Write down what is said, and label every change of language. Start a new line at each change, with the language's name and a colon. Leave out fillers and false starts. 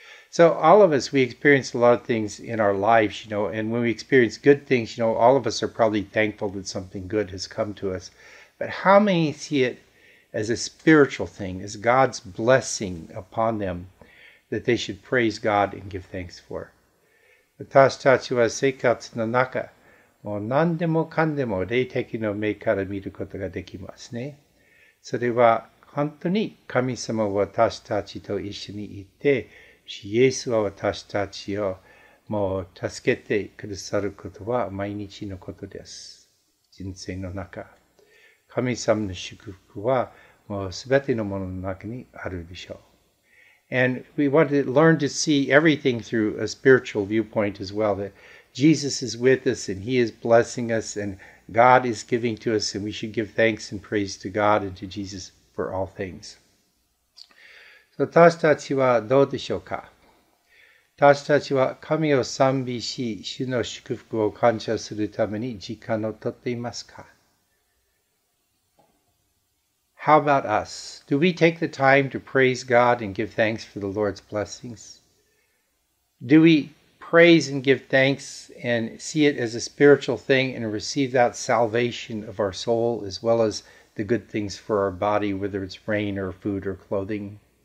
English: So all of us, we experience a lot of things in our lives, you know, and when we experience good things, you know, all of us are probably thankful that something good has come to us. But how many see it as a spiritual thing, as God's blessing upon them that they should praise God and give thanks for?
Japanese: 私たちは生活の中、もう何でもかんでも霊的の目から見ることができますね。それは本当に神様は私たちと一緒にいて、イエスは私たちをもう助けてくださることは毎日のことです。人生の中。神様の祝福はもうすべてのものの中にあるでしょう。
English: And we want to learn to see everything through a spiritual viewpoint as well, that Jesus is with us and He is blessing us and God is giving to us and we should give thanks and praise to God and to Jesus for all things.
Japanese: 私たちはどうでしょうか?私たちは神を賛美し、主の祝福を感謝するために時間をとっていますか?
English: How about us? Do we take the time to praise God and give thanks for the Lord's blessings? Do we praise and give thanks and see it as a spiritual thing and receive that salvation of our soul as well as the good things for our body, whether it's rain or food or clothing?